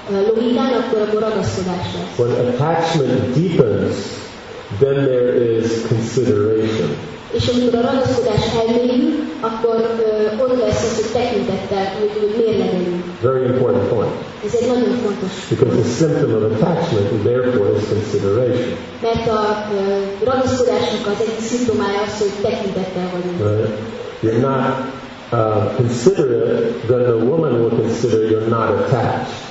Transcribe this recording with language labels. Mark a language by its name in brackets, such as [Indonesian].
[English] When attachment deepens, then there is consideration. [Hungarian] És amikor a ragaszkodás elmélyül, akkor ott lesz az, hogy tekintettel, hogy mérlegelünk. [English] Very important point. [Hungarian] Ez egy nagyon fontos. [English] Because the symptom of attachment, therefore, is consideration. [Hungarian] Mert a ragaszkodásnak az egyik szimptomája az, hogy tekintettel vagyunk. [English] Right. You're not considerate, then the woman will consider you're not attached.